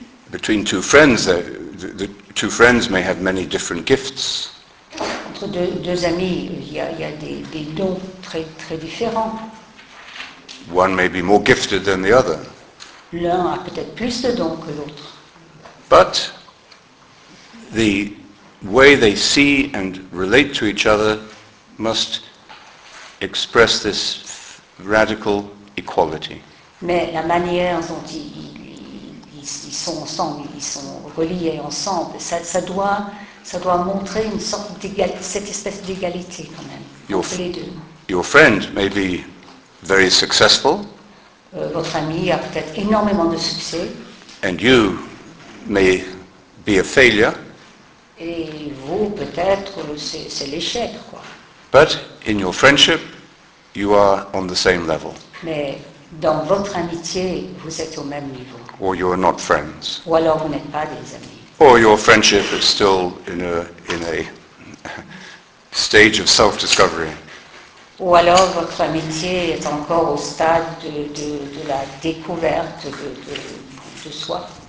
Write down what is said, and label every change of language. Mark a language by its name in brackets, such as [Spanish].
[English] Between two friends, the two friends may have many different gifts. [French] Entre deux amis, il y a des dons très très différents. [English] One may be more gifted than the other. [French] L'un a peut-être plus de dons que l'autre. [English] But the way they see and relate to each other must express this radical equality. [French] Mais la manière dont ils sont ensemble, ils sont reliés ensemble, ça doit montrer une sorte cette espèce d'égalité quand même entre les deux. [English] Your friend may be very successful. [French] Votre ami a peut-être énormément de succès. [English] And you may be a failure. [French] Et vous, peut-être, c'est l'échec, quoi. [English] But in your friendship, you are on the same level. [French] Mais dans votre amitié, vous êtes au même niveau. [English] Or you are not friends. [French] Ou alors vous n'êtes pas des amis. [English] Or your friendship is still in a stage of self-discovery. [French] Ou alors votre amitié est encore au stade de la découverte de soi.